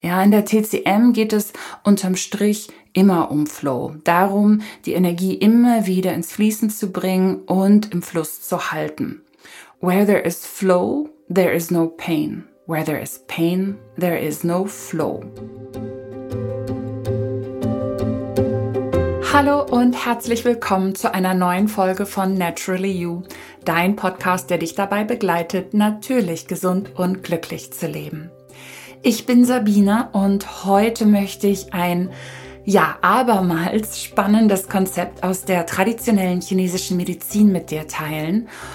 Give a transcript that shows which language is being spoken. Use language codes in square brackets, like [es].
[de] Ja, in der TCM geht es unterm Strich immer um Flow. Darum, die Energie immer wieder ins Fließen zu bringen und im Fluss zu halten. [en] Where there is flow, there is no pain. Where there is pain, there is no flow. [de] Hallo und herzlich willkommen zu einer neuen Folge von Naturally You, dein Podcast, der dich dabei begleitet, natürlich gesund und glücklich zu leben. Ich bin Sabine und heute möchte ich ein, ja, abermals spannendes Konzept aus der traditionellen chinesischen Medizin mit dir teilen.